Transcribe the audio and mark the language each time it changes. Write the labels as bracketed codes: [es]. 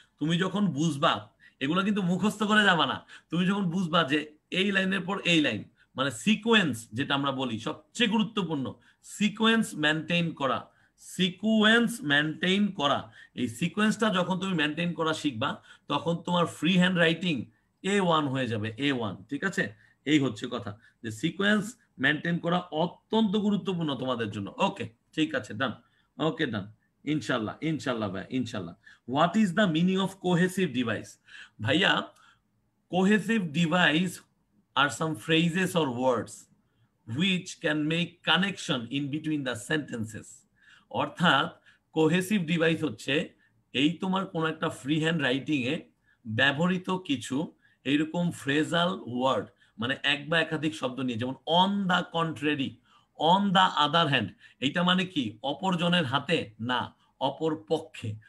[bn] তুমি যখন বুঝবা, এগুলো কিন্তু মুখস্থ করে যাবা না, তুমি যখন বুঝবা যে এই লাইনের পর এই লাইন, মানে সিকোয়েন্স যেটা আমরা বলি সবচেয়ে গুরুত্বপূর্ণ, সিকোয়েন্স মেনটেইন করা, সিকোয়েন্স মেনটেইন করা, এই সিকোয়েন্সটা যখন তুমি মেনটেইন করা শিখবা তখন তোমার ফ্রি হ্যান্ড রাইটিং A1 হয়ে যাবে, A1, ঠিক আছে। এই হচ্ছে কথা যে সিকোয়েন্স মেনটেইন করা অত্যন্ত গুরুত্বপূর্ণ তোমাদের জন্য। ওকে, ঠিক আছে, ডান, ওকে ডান, ইনশাল্লাহ ইনশাল্লাহ ভাইয়া ইনশাল্লাহ। [en] What is the meaning of cohesive device? [bn] ভাইয়া [en] Cohesive device are some phrases or words which can make connection in between the sentences. [bn] অর্থাৎ কোহেসিভ ডিভাইস হচ্ছে এই তোমার কোন একটা ফ্রি হ্যান্ড রাইটিং এ ব্যবহৃত কিছু এরকম ফ্রেজাল ওয়ার্ড, মানে এক বা একাধিক শব্দ নিয়ে, যেমন on the contrary, on the other hand, এইটা মানে কি অপর জনের হাতে না অপর পক্ষে।